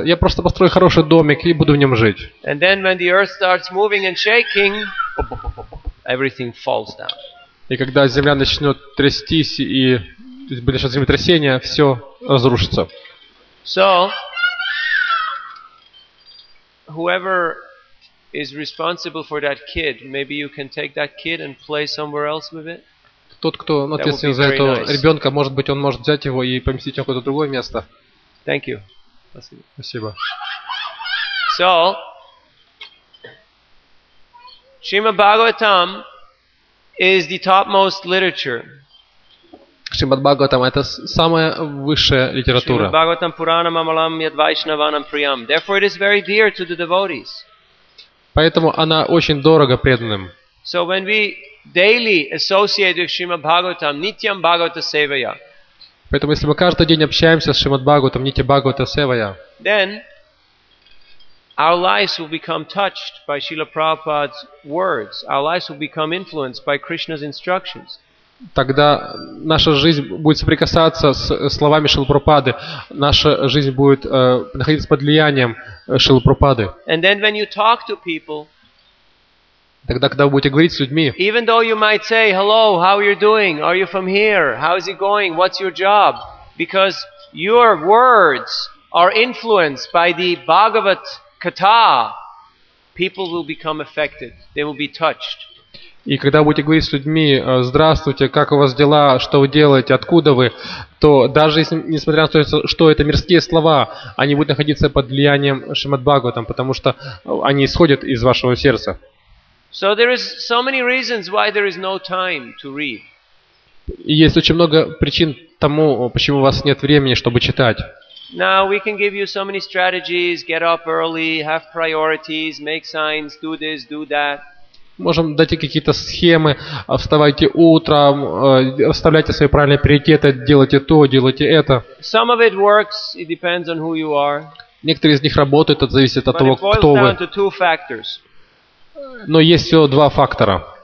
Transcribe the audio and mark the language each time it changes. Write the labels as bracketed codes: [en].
[ru] Я просто построю хороший домик и буду в нем жить. [en] And then when the earth starts moving and shaking, everything falls down. [ru] И когда земля начнет трястись и начнет землетрясение, все разрушится. [en] So, whoever is responsible for that kid, maybe you can take that kid and play somewhere else with it. [ru] Тот, кто ответственен за этого ребенка, может быть, он может взять его и поместить в какое-то другое место. [en] Thank you. [ru] Спасибо. [en] So, Shrimad Bhagavatam is the topmost literature. [ru] Shrimad Bhagavatam – это самая высшая литература. [sa] Shrimad Bhagavatam Purana Mamalam Yad Vaishnavanam Priyam. [en] Therefore, it is very dear to the devotees. [ru] Поэтому она очень дорого преданным. [en] So when we daily associate with Shrimad Bhagavatam, [sa] Nityam Bhagavata Sevaya. [ru] Поэтому если мы каждый день общаемся с Шримад Бхагаватом, [sa] Нитья Бхагавата Севая. [en] Then our lives will become touched by Srila Prabhupada's words. Our lives will become influenced by Krishna's instructions. [ru] Тогда наша жизнь будет соприкасаться с словами Шрилы Прабхупады. Наша жизнь будет находиться под влиянием Шрилы Прабхупады. [en] And then when you talk to people, [ru] тогда, когда вы будете говорить с людьми, [en] even though you might say, hello, how are you doing? Are you from here? How is it going? What's your job? Because your words are influenced by the Bhagavat Katha, people will become affected. They will be touched. [ru] И когда будете говорить с людьми, здравствуйте, как у вас дела, что вы делаете, откуда вы, то даже если, несмотря на то, что это мирские слова, они будут находиться под влиянием Шримад Бхагаватам, потому что они исходят из вашего сердца. [en] So there is so many reasons why there is no time to read. [ru] Есть очень много причин тому, почему у вас нет времени, чтобы читать. [en] Now we can give you so many strategies: get up early, have priorities, make signs, do this, do that. [ru] Можем дать какие-то схемы: вставайте утром, оставляйте свои правильные приоритеты, делайте то, делайте это. [en] Some of it works. It depends on who you are. [ru] Некоторые из них работают, это зависит от того, кто вы. [en] But it boils down to two factors. [ru] Но есть всего два фактора.